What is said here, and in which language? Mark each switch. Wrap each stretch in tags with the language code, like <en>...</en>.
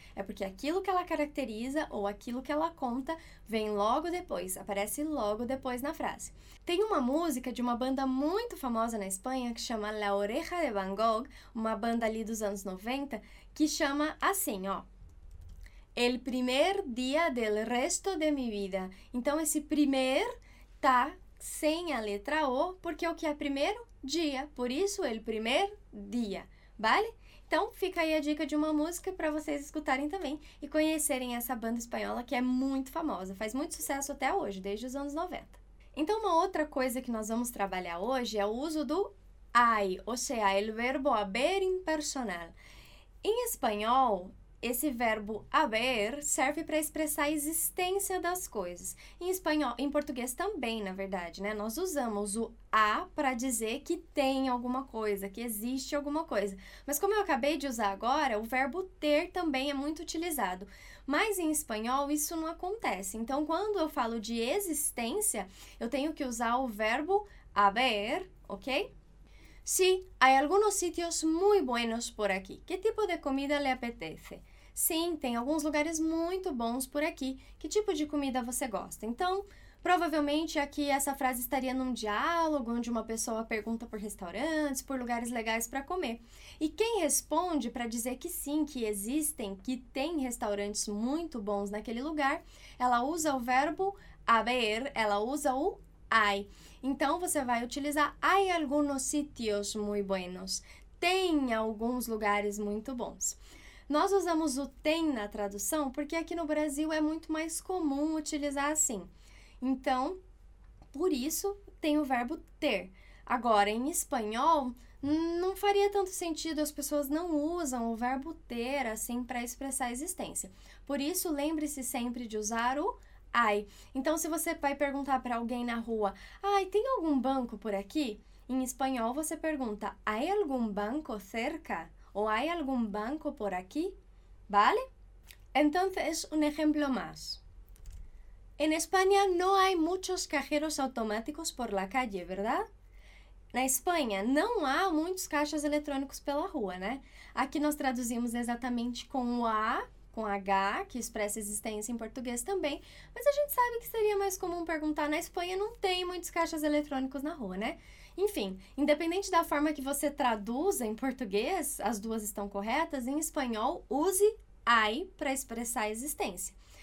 <pt>É porque aquilo que ela caracteriza ou aquilo que ela conta vem logo depois, aparece logo depois na frase. Tem uma música de uma banda muito famosa na Espanha que chama La Oreja de Van Gogh, uma banda ali dos anos 90, que chama assim, ó.</pt> <es>El primer día del resto de mi vida.</es> <pt>Então, esse primer tá sem a letra O, porque o que é primeiro? Dia. Por isso, el primer día. Vale? Então, fica aí a dica de uma música para vocês escutarem também e conhecerem essa banda espanhola que é muito famosa. Faz muito sucesso até hoje, desde os anos 90. Então, uma outra coisa que nós vamos trabalhar hoje é o uso do hay, ou seja,</pt> <es>el verbo haber impersonal.</es> <pt>Em espanhol, esse verbo haber serve para expressar a existência das coisas. Em espanhol, em português também, na verdade, né? Nós usamos o a para dizer que tem alguma coisa, que existe alguma coisa. Mas como eu acabei de usar agora, o verbo ter também é muito utilizado. Mas em espanhol isso não acontece. Então, quando eu falo de existência, eu tenho que usar o verbo haber, ok?</pt> <es>Sí, hay algunos sitios muy buenos por aquí. ¿Qué tipo de comida le apetece?</es> <pt>Sim, tem alguns lugares muito bons por aqui. Que tipo de comida você gosta? Então, provavelmente aqui essa frase estaria num diálogo onde uma pessoa pergunta por restaurantes, por lugares legais para comer. E quem responde para dizer que sim, que existem, que tem restaurantes muito bons naquele lugar, ela usa o verbo haber, ela usa o hay. Então, você vai utilizar</pt> <es>hay algunos sitios muy buenos.</es> <pt>Tem alguns lugares muito bons. Nós usamos o tem na tradução porque aqui no Brasil é muito mais comum utilizar assim. Então, por isso, tem o verbo ter. Agora, em espanhol, não faria tanto sentido, as pessoas não usam o verbo ter assim para expressar a existência. Por isso, lembre-se sempre de usar o hay. Então, se você vai perguntar para alguém na rua: ai, tem algum banco por aqui? Em espanhol, você pergunta:</pt> <es>hay algún banco cerca? ¿O hay algún banco por aquí? ¿Vale? Entonces, un ejemplo más. En España no hay muchos cajeros automáticos por la calle, ¿verdad?</es> <pt>Na Espanha não há muitos caixas eletrônicos pela rua, né? Aqui nós traduzimos exatamente com o a com H, que expressa existência em português também, mas a gente sabe que seria mais comum perguntar. Na Espanha não tem muitos caixas eletrônicos na rua, né? Enfim, independente da forma que você traduza em português, as duas estão corretas, em espanhol use I para expressar existência.</pt>